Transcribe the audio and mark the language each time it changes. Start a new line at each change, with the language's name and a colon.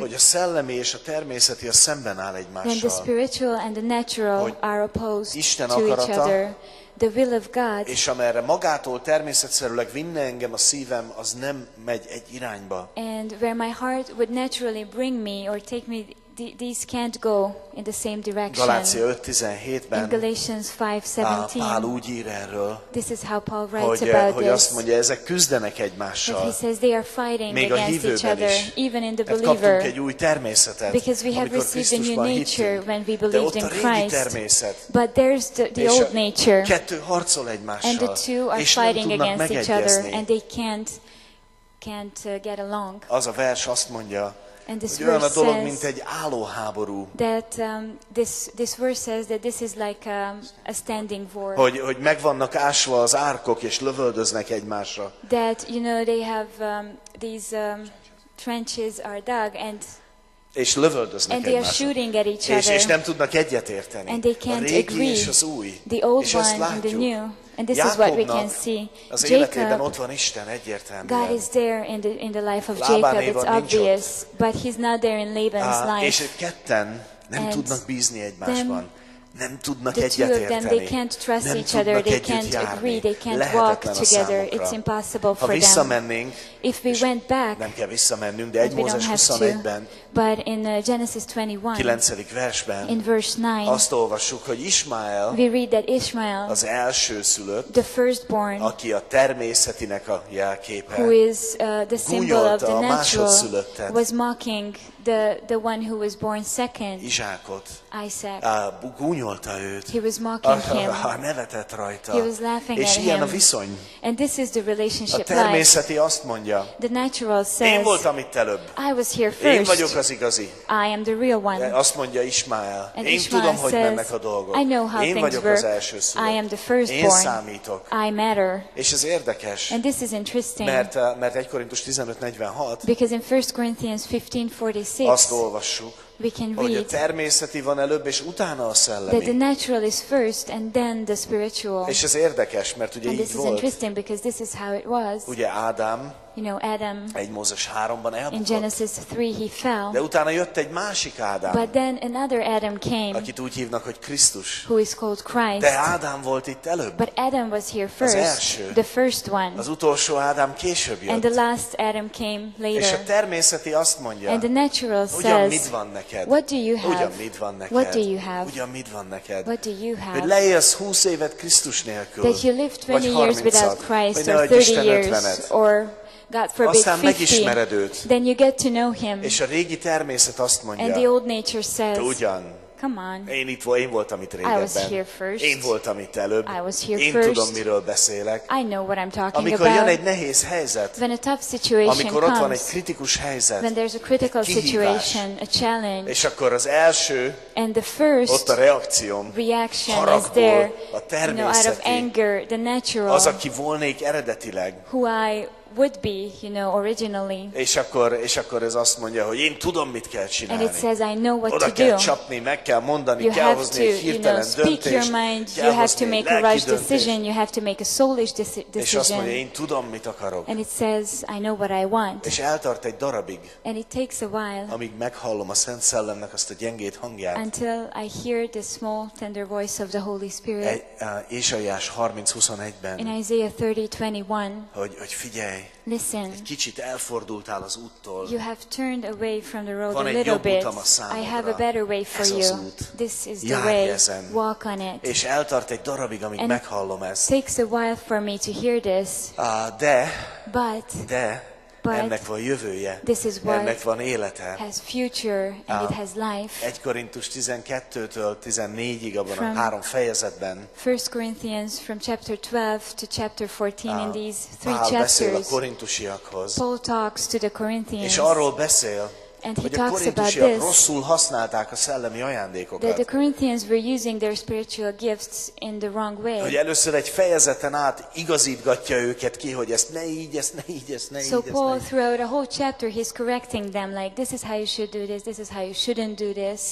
Hungarian: hogy a szellemi és a természeti a szemben áll egymással
English: and the spiritual and the natural are opposed
Hungarian: Isten
English: to
Hungarian: akarata,
English: each other the will of God
Hungarian: és amerre magától természetszerűleg vinne engem a szívem az nem megy egy irányba
English: and where my heart would naturally bring me or take me these can't go in the same direction
Hungarian: Galácia 5:17-ben
English: Galatians 5:17
Hungarian: Pál úgy ír erről
English: this is how Paul writes
Hungarian: hogy,
English: about
Hungarian: hogy azt mondja ezek küzdenek egymással
English: he says they are fighting
Hungarian: még
English: against each other
Hungarian: is.
English: Even in the believer
Hungarian: kaptunk egy új természetet
English: because we have received a new nature
Hungarian: hittünk,
English: when we believed in Christ
Hungarian: természet,
English: but there's the old nature
Hungarian: kettő harcol egymással
English: and the two are fighting against each other and they can't get along
Hungarian: az a vers azt mondja
English: And this
Hungarian: olyan a dolog, mint egy állóháború.
English: That this verse says that this is like a standing war.
Hungarian: Hogy meg vannak ásva az árkok és lövöldöznek egymásra.
English: That you know they have these trenches are dug and
Hungarian: és lövöldöznek
English: and
Hungarian: egymásra.
English: They are shooting at each other.
Hungarian: És nem tudnak egyet érteni.
English: And they can't agree.
Hungarian: A régi és az új.
English: The old
Hungarian: és
English: one and the new. And this
Hungarian: Jákobnak
English: is what we can see.
Hungarian: Az életében ott van Isten egyértelműen.
English: God is there in the life of Jacob. It's obvious, but he's not there in Laban's life.
Hungarian: És ketten nem tudnak bízni egymásban. Nem tudnak egyet érteni.
English: The two of them they can't trust each other. They can't agree. They can't walk together. It's impossible for them. If we went back,
Hungarian: nem kell visszamennünk, de egy Mózes 21-ben.
English: But in Genesis 21,
Hungarian: 9. versben,
English: in verse 9,
Hungarian: azt olvassuk, hogy Ismael,
English: we read that Ishmael,
Hungarian: az elsőszülött,
English: the firstborn,
Hungarian: aki a természetinek a jelképe,
English: who is the symbol of the natural, was mocking the one who was born second,
Hungarian: Izsákot,
English: Isaac,
Hungarian: gúnyolta őt,
English: he was mocking him,
Hungarian: nevetett rajta,
English: he was laughing
Hungarian: és
English: at
Hungarian: ilyen
English: him,
Hungarian: a viszony,
English: and this is the relationship.
Hungarian: A természeti azt mondja,
English: the natural says,
Hungarian: én voltam itt előbb,
English: I was here first.
Hungarian: Én vagyok az igazi.
English: I am the real one.
Hungarian: Azt mondja Ismael.
English: And
Hungarian: én
English: Ishmael
Hungarian: tudom,
English: says,
Hungarian: hogy mennek a dolgok.
English: I know how
Hungarian: én vagyok
English: work.
Hungarian: Az elsőszülött.
English: I am the firstborn.
Hungarian: Én számítok.
English: I matter.
Hungarian: És ez érdekes.
English: And this is interesting.
Hungarian: Mert 1 Korintus 15:46.
English: Because in 1 Corinthians 15:46.
Hungarian: Azt olvassuk.
English: We can read
Hungarian: hogy a természeti van előbb, és utána a szellemi.
English: That the natural is first and then the spiritual.
Hungarian: És ez érdekes, mert ugye
English: and
Hungarian: így
English: this
Hungarian: volt.
English: Is interesting because this is how it was.
Hungarian: Ugye Ádám,
English: you know, Adam,
Hungarian: egy Mózes 3-ban elbukott.
English: In Genesis 3 he fell.
Hungarian: De utána jött egy másik Ádám.
English: But then another Adam came.
Hungarian: Akit úgy hívnak, hogy Krisztus.
English: Who is called Christ.
Hungarian: De Ádám volt itt előbb.
English: But Adam was here first.
Hungarian: Az első.
English: The first one.
Hungarian: Az utolsó Ádám később jött.
English: And the last Adam came later.
Hungarian: És a természeti azt mondja.
English: And the natural says,
Hungarian: mit van neked?
English: What do you have?
Hungarian: Ugyan mit van neked?
English: What do you have?
Hungarian: Ugyan mit van neked?
English: What do you have?
Hungarian: Hogy leélsz 20 évet Krisztus nélkül.
English: That you lived 20 years without Christ or 30 years or God forbid,
Hungarian: aztán megismered őt.
English: Then you get to know him.
Hungarian: És a régi természet azt mondja.
English: And the old nature says.
Hungarian: Ugyan.
English: Come on.
Hungarian: Én voltam itt régebben.
English: I was here first.
Hungarian: Én voltam itt előbb.
English: I was here
Hungarian: én
English: first.
Hungarian: Tudom, miről beszélek.
English: I know what I'm talking
Hungarian: amikor
English: about.
Hungarian: Amikor jön egy nehéz helyzet.
English: When a tough situation
Hungarian: amikor
English: comes.
Hungarian: Amikor ott van egy kritikus helyzet.
English: When there's a critical
Hungarian: kihívás,
English: situation, a challenge.
Hungarian: És akkor az első.
English: And the first.
Hungarian: Ott a reakcióm.
English: Reaction
Hungarian: haragból,
English: is there.
Hungarian: A természeti.
English: You know, out of anger, the natural.
Hungarian: Az, aki volnék eredetileg.
English: Who I would be, you know, originally.
Hungarian: És akkor ez azt mondja, hogy én tudom, mit kell csinálni.
English: And it says, I know what
Hungarian: oda
English: to do.
Hungarian: Oda kell csapni, meg kell mondani,
English: you
Hungarian: kell hozni egy hirtelen
English: you know,
Hungarian: döntést.
English: You have to, you have to make a rash decision, you have to make a soulish decision.
Hungarian: És azt mondja, én tudom, mit akarok.
English: And it says, I know what I want.
Hungarian: És eltart egy darabig.
English: And it takes a while.
Hungarian: Amíg meghallom a Szent Szellemnek azt a gyengét hangját.
English: Until I hear the small, tender voice of the Holy Spirit.
Hungarian: Ésaiás 30:21-ben.
English: In Isaiah 30:21.
Hungarian: Hogy figyelj.
English: Listen.
Hungarian: Egy kicsit elfordultál az úttól.
English: You have turned away from the road
Hungarian: van
English: a little bit.
Hungarian: Van egy jobb utam a számodra.
English: I have a better way for you. This is the way. Walk on it.
Hungarian: És eltart egy darabig, amíg
English: and
Hungarian: meghallom ezt.
English: Takes a while for me to hear this.
Hungarian: De.
English: But.
Hungarian: De.
English: But
Hungarian: ennek van jövője.
English: This is what
Hungarian: ennek van élete.
English: Has future and it has life.
Hungarian: 1 Korintus 12-től 14-ig abban
English: from
Hungarian: a három fejezetben.
English: 1 Corinthians from chapter 12 to chapter 14 in these three chapters.
Hungarian: Beszél a korintusiakhoz.
English: Paul talks to the Corinthians.
Hungarian: És arról beszél,
English: and he talks
Hungarian: Hogy a korintusiak rosszul használták a szellemi ajándékokat.
English: That the Corinthians were using their spiritual gifts in the wrong way.
Hungarian: Hogy először egy fejezeten át igazítgatja őket ki, hogy ezt ne így, ezt ne így, ezt ne így.
English: So Paul throughout a whole chapter he's correcting them like this is how you should do this, this is how you shouldn't do this.